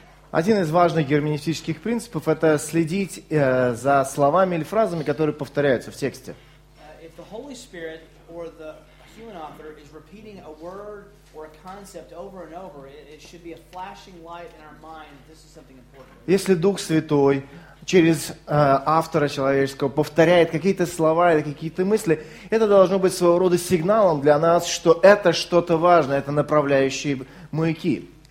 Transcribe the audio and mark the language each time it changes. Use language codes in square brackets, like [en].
[ru] Один из важных герменевтических принципов – это следить за словами или фразами, которые повторяются в тексте. [en] If the Holy Spirit or the human author is repeating a word or a concept over and over, it should be a flashing light in our mind that this is something important. [ru] Если Дух Святой через автора человеческого повторяет какие-то слова или какие-то мысли, это должно быть своего рода сигналом для нас, что это что-то важное, это направляющие маяки.